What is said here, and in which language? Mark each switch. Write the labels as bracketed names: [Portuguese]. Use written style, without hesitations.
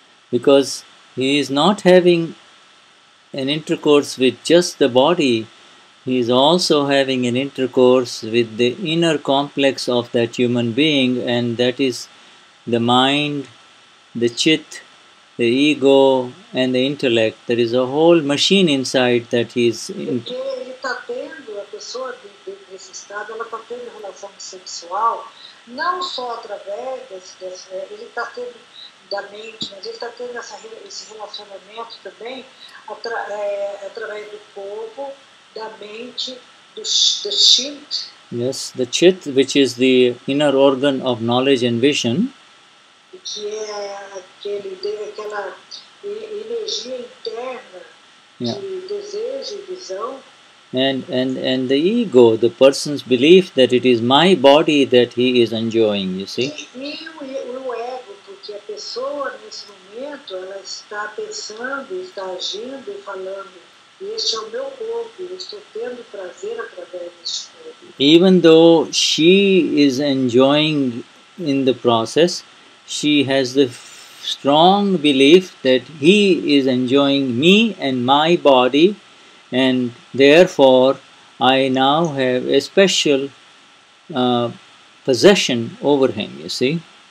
[English] Because he is not having an intercourse with just the body, he is also having an intercourse with the inner complex of that human being, and that is the mind, the chit, the ego, and the intellect. There is a whole machine inside that he is in. [Portuguese] Porque ele está tendo, a pessoa desse estado, ela está tendo relação sexual, não só através desse, ele está tendo da mente, mas ele está tendo esse relacionamento também através do corpo, da mente, do chit. [English] Yes, the chit, which is the inner organ of knowledge and vision. [Portuguese] Que é aquela energia interna, yeah, de desejo e visão. [English] And the ego, the person's belief that it is my body that he is enjoying, you see. [Portuguese] E o ego, porque a pessoa nesse momento, ela está pensando, está agindo e falando, este é o meu corpo, eu estou tendo prazer através deste corpo. [English] Even though she is enjoying in the process, she has the strong belief that he is enjoying me and my body, and therefore I now have a special possession over him, you see.